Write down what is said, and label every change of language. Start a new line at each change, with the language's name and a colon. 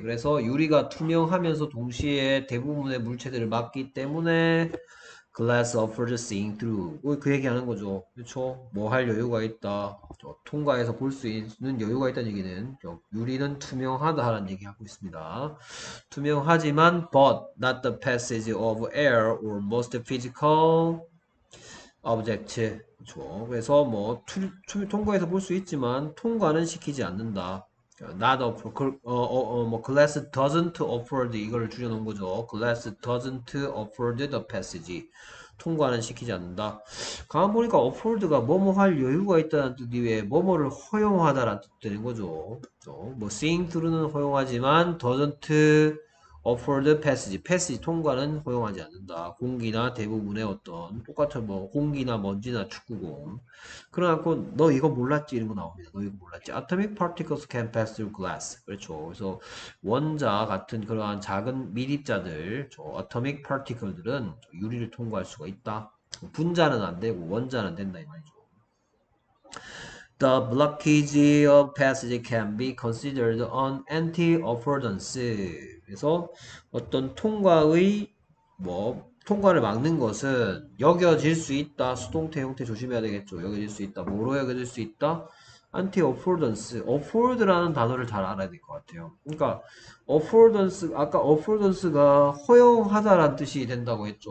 Korean: 그래서 유리가 투명하면서 동시에 대부분의 물체들을 막기 때문에
English: glass offers seeing through.
Korean: 그 얘기하는 거죠. 그렇죠? 뭐할 여유가 있다. 저 통과해서 볼수 있는 여유가 있다는 얘기는 저 유리는 투명하다라는 얘기하고 있습니다. 투명하지만,
English: but not the passage of air or most physical object.
Korean: 그렇죠. 그래서 뭐 통과해서 볼수 있지만 통과는 시키지 않는다.
English: Not offer, 뭐 glass doesn't offer
Korean: 이걸 줄여놓은 거죠.
English: Glass doesn't offer the passage.
Korean: 통과는 시키지 않는다. 가만 보니까 offer가 뭐뭐 할 여유가 있다는 뜻 이외에 뭐뭐를 허용하다라는 뜻 되는 거죠. 그렇죠?
English: 뭐 seeing through는
Korean: 허용하지만
English: doesn't offer the passage.
Korean: passage 통과는 허용하지 않는다. 공기나 대부분의 어떤 똑같은 뭐 공기나 먼지나 축구공. 그러갖고 너 이거 몰랐지? 이런 거 나옵니다. 너 이거 몰랐지?
English: Atomic particles can pass through glass.
Korean: 그렇죠. 그래서 원자 같은 그러한 작은 미립자들, 저 atomic particle들은 유리를 통과할 수가 있다. 분자는 안 되고 원자는 된다 이 말이죠.
English: The blockage of passage can be considered an anti-affordance.
Korean: 그래서 어떤 통과의 뭐 통과를 막는 것은 여겨질 수 있다. 수동태 형태 조심해야 되겠죠. 여겨질 수 있다. 뭐로 여겨질 수 있다? anti-affordance. afford라는 단어를 잘 알아야 될것 같아요. 그러니까 affordance 아까 affordance가 허용하다라는 뜻이 된다고 했죠.